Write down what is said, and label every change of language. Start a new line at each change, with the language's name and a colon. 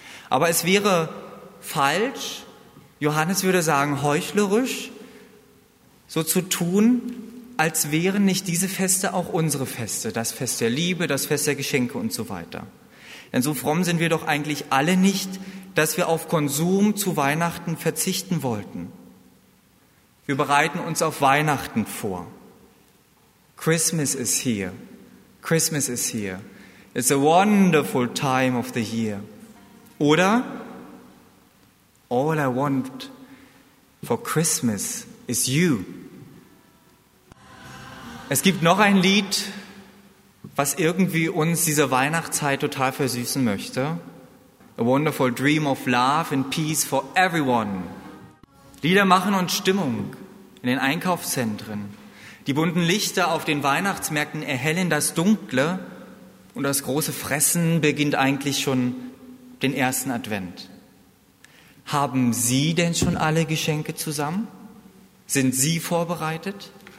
German: Aber es wäre falsch, Johannes würde sagen, heuchlerisch, so zu tun, als wären nicht diese Feste auch unsere Feste, das Fest der Liebe, das Fest der Geschenke und so weiter. Denn so fromm sind wir doch eigentlich alle nicht, dass wir auf Konsum zu Weihnachten verzichten wollten. Wir bereiten uns auf Weihnachten vor.
English: Christmas is here. Christmas is here. It's a wonderful time of the year. Oder all I want for Christmas is you.
German: Es gibt noch ein Lied, was irgendwie uns diese Weihnachtszeit total versüßen möchte.
English: A wonderful dream of love and peace for everyone.
German: Lieder machen uns Stimmung in den Einkaufszentren. Die bunten Lichter auf den Weihnachtsmärkten erhellen das Dunkle und das große Fressen beginnt eigentlich schon den ersten Advent. Haben Sie denn schon alle Geschenke zusammen? Sind Sie vorbereitet?